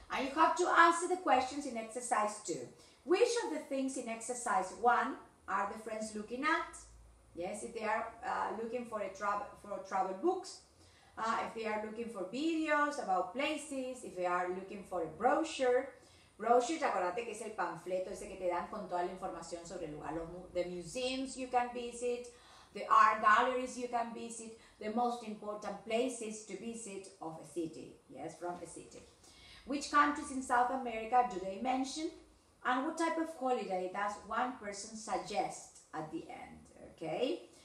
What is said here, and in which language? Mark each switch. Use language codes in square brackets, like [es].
[en] And you have to answer the questions in exercise two. Which of the things in exercise one are the friends looking at? Yes, if they are looking for travel books, if they are looking for videos about places, if they are looking for a brochure. [es] Brochure, acuérdate que es el panfleto ese que te dan con toda la información sobre el lugar. [en] The museums you can visit, the art galleries you can visit, the most important places to visit of a city. Yes, from a city. Which countries in South America do they mention? And what type of holiday does one person suggest at the end? Okay.